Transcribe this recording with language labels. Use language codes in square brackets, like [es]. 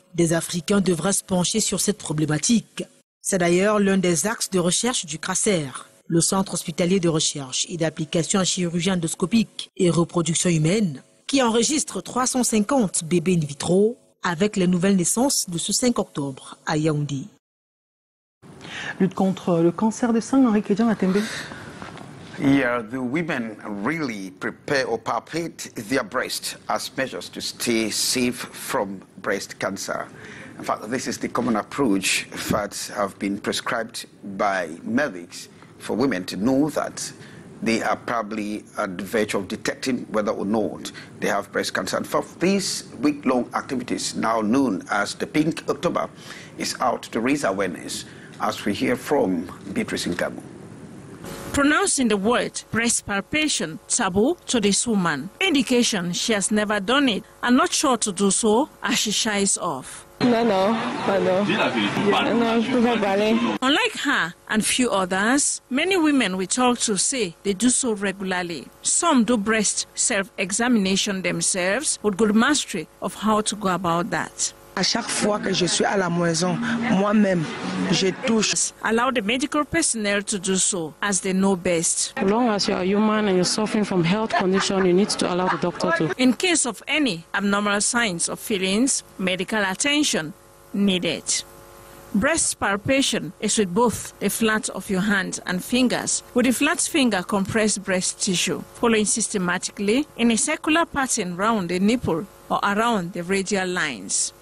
[fr] Des Africains devraient se pencher sur cette problématique. C'est d'ailleurs l'un des axes de recherche du CRACER, le Centre hospitalier de recherche et d'application en chirurgie endoscopique et reproduction humaine, qui enregistre 350 bébés in vitro avec les nouvelles naissances de ce 5 octobre à Yaoundé. Lutte contre le cancer des seins, Henri Kédian Matembe. [en] Yeah, the women really prepare or palpate their breasts as measures to stay safe from breast cancer. In fact, this is the common approach that have been prescribed by medics for women to know that they are probably at the verge of detecting whether or not they have breast cancer. And for these week-long activities, now known as the Pink October, is out to raise awareness, as we hear from Beatrice Nkamu. Pronouncing the word breast palpation taboo to this woman, indication she has never done it and not sure to do so as she shies off. No. Unlike her and few others, many women we talk to say they do so regularly. Some do breast self-examination themselves with good mastery of how to go about that. [fr] À chaque fois que je suis à la maison, moi-même, je touche. [en] Allow the medical personnel to do so, as they know best. As long as you are human and you're suffering from health condition, you need to allow the doctor to. In case of any abnormal signs or feelings, medical attention needed. Breast palpation is with both the flat of your hand and fingers, with the flat finger compressed breast tissue, following systematically in a circular pattern round the nipple or around the radial lines.